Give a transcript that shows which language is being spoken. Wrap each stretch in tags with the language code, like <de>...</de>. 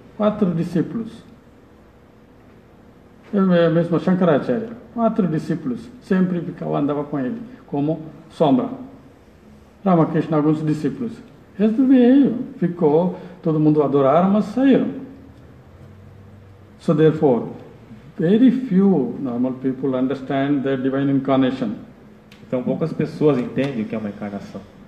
<pt>Quatro discípulos. Eu mesmo, Shankaracharya. Quatro discípulos. Sempre ficava, andava com ele, como sombra. Ramakrishna, alguns discípulos. Ele veio, ficou, todo mundo adoraram, mas saíram.</pt> <en>So therefore, very few normal people understand the divine incarnation.</en> <pt>Então poucas pessoas entendem o que é uma encarnação.</pt>